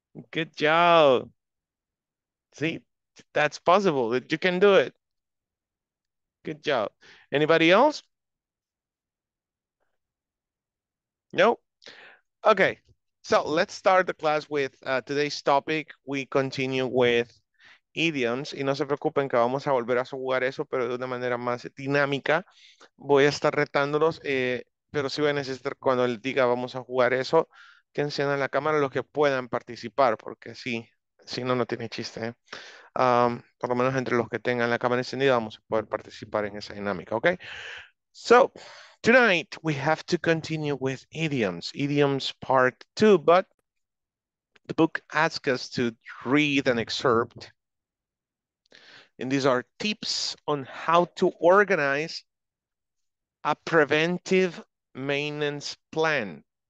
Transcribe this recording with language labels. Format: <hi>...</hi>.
<en>Good job. See, that's possible. You can do it. Good job. Anybody else? Nope. Okay. So let's start the class with today's topic. We continue with idioms.</en> <es>Y no se preocupen que vamos a volver a jugar eso, pero de una manera más dinámica. Voy a estar retándolos, pero sí voy a necesitar cuando les diga vamos a jugar eso, que enciendan la cámara los que puedan participar, porque sí, si no, no tiene chiste. Por lo menos entre los que tengan la cámara encendida vamos a poder participar en esa dinámica, ¿ok?</es> <en>So, tonight we have to continue with idioms, idioms part two, but the book asks us to read an excerpt. And these are tips on how to organize a preventive maintenance plan.</en>